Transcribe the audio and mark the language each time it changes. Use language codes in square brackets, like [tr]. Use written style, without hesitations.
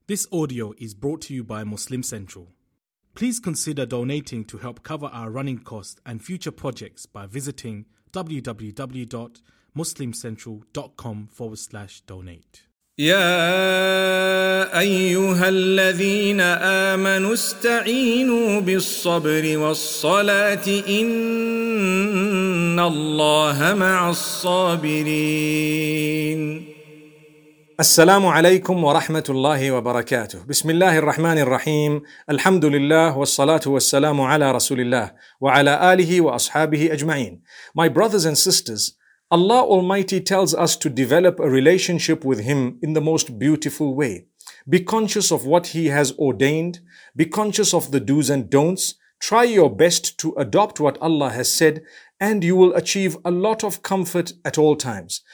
[en] This audio is brought to you by Muslim Central. Please consider donating to help cover our running costs and future projects by visiting www.muslimcentral.com/donate. [ar] يا أيها الذين آمنوا استعينوا بالصبر والصلاة إن الله مع الصابرين. السلام عليكم ورحمة الله وبركاته. بسم الله الرحمن الرحيم. الحمد لله والصلاة والسلام على رسول الله وعلى آله وأصحابه أجمعين. [en] My brothers and sisters, Allah Almighty tells us to develop a relationship with Him in the most beautiful way. Be conscious of what He has ordained. Be conscious of the do's and don'ts. Try your best to adopt what Allah has said, and you will achieve a lot of comfort at all times.